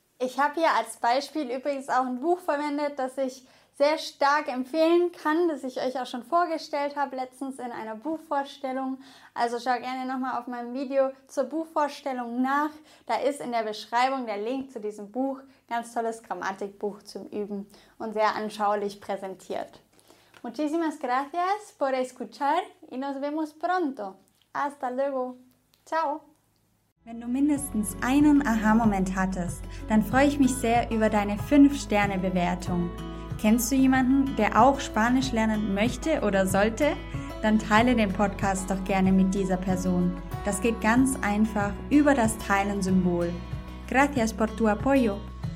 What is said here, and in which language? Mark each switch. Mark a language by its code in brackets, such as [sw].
[de] Ich habe hier als Beispiel übrigens auch ein Buch verwendet, das ich sehr stark empfehlen kann, das ich euch auch schon vorgestellt habe, letztens in einer Buchvorstellung. Also schau gerne nochmal auf meinem Video zur Buchvorstellung nach. Da ist in der Beschreibung der Link zu diesem Buch, ganz tolles Grammatikbuch zum Üben und sehr anschaulich präsentiert. [es] Muchísimas gracias por escuchar y nos vemos pronto. Hasta luego. Ciao. [de] Wenn du mindestens einen Aha-Moment hattest, dann freue ich mich sehr über deine 5-Sterne-Bewertung. Kennst du jemanden, der auch Spanisch lernen möchte oder sollte? Dann teile den Podcast doch gerne mit dieser Person. Das geht ganz einfach über das Teilen-Symbol. [es] Gracias por tu apoyo.